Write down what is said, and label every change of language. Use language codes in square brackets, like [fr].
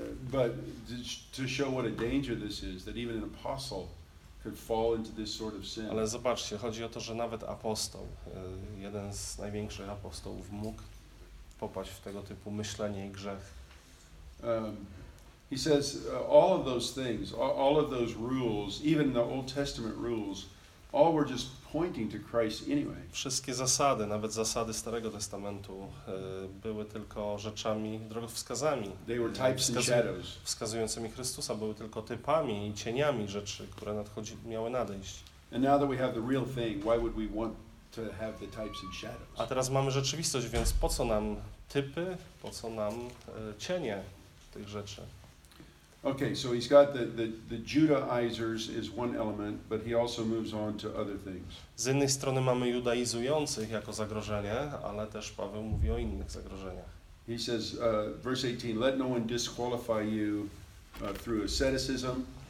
[en] But to show what a danger this is, that even an apostle could fall into this sort of sin. [pl] Ale zobaczcie, chodzi o to, że nawet apostoł, jeden z największych apostołów, mógł popaść w tego typu myślenie i grzech. [en] He says all of those things, all of those rules, even the Old Testament rules, all were just pointing to Christ anyway. [pl] Wszystkie zasady, nawet zasady Starego Testamentu, były tylko rzeczami, drogowskazami. [en] They were types and shadows. [pl] Wskazującymi Chrystusa, były tylko typami i cieniami rzeczy, które miały nadejść. [en] And now that we have the real thing, why would we want to have the types and shadows? [pl] A teraz mamy rzeczywistość, więc po co nam typy, po co nam cienie tych rzeczy? [en] Okay, so he's got the Judaizers is one element, but he also moves on to other things. [pl] Z jednej strony mamy judaizujących jako zagrożenie, ale też Paweł mówi o innych zagrożeniach. [en] He says, verse 18, let no one disqualify you through asceticism.